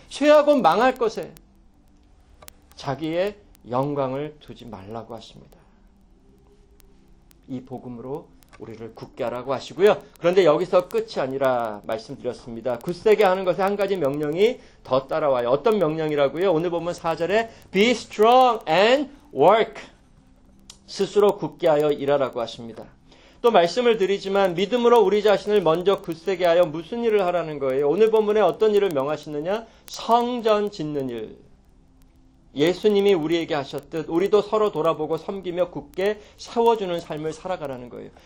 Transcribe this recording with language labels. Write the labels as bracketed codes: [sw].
[ko] 쇠하고 망할 것에 자기의 영광을 두지 말라고 하십니다. 이 복음으로 우리를 굳게 하라고 하시고요. 그런데 여기서 끝이 아니라 말씀드렸습니다. 굳세게 하는 것에 한 가지 명령이 더 따라와요. 어떤 명령이라고요? 오늘 보면 4절에 [en] Be strong and work. [ko] 스스로 굳게 하여 일하라고 하십니다. 또 말씀을 드리지만 믿음으로 우리 자신을 먼저 굳세게 하여 무슨 일을 하라는 거예요? 오늘 본문에 어떤 일을 명하시느냐? 성전 짓는 일. 예수님이 우리에게 하셨듯 우리도 서로 돌아보고 섬기며 굳게 세워주는 삶을 살아가라는 거예요.